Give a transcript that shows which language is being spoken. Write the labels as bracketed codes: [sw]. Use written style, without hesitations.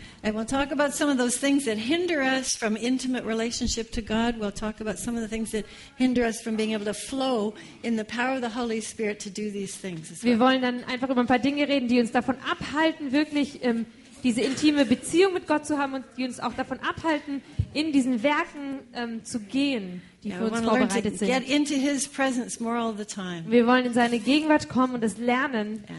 [en] And we'll talk about some of those things that hinder us from intimate relationship to God. We'll talk about some of the things that hinder us from being able to flow in the power of the Holy Spirit to do these things. [de] Wir well. Wollen dann einfach über ein paar Dinge reden, die uns davon abhalten, wirklich diese intime Beziehung mit Gott zu haben und die uns auch davon abhalten, in diesen Werken zu gehen, die für uns vorbereitet sind. [en] Get into his presence more all the time. [de] Wir wollen in seine Gegenwart kommen und es lernen, yeah.